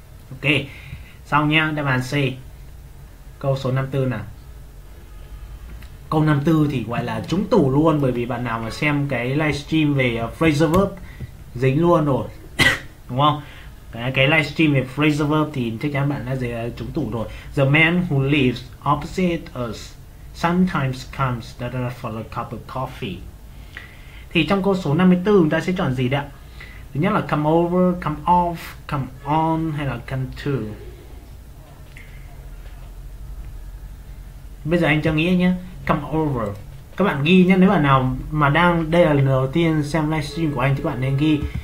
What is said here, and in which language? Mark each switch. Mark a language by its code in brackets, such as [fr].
[vi] Ok. Xong nha, đáp án C. Câu số 54 nào. Câu 54 thì gọi là trúng tủ luôn bởi vì bạn nào mà xem cái livestream về phrasal verb dính luôn rồi. Đúng không? Cái livestream về phrasal verb thì chắc chắn bạn đã trúng tủ rồi. [en] The man who lives opposite us sometimes comes for a cup of coffee. [vi] Thì trong câu số 54 chúng ta sẽ chọn gì đấy ạ? Thứ nhất là come over, come off, come on hay là come to. Bây giờ anh cho nghĩ nhé. Come over. Các bạn ghi nhé. Nếu bạn nào mà đang đây là lần đầu tiên xem livestream của anh thì các bạn nên ghi.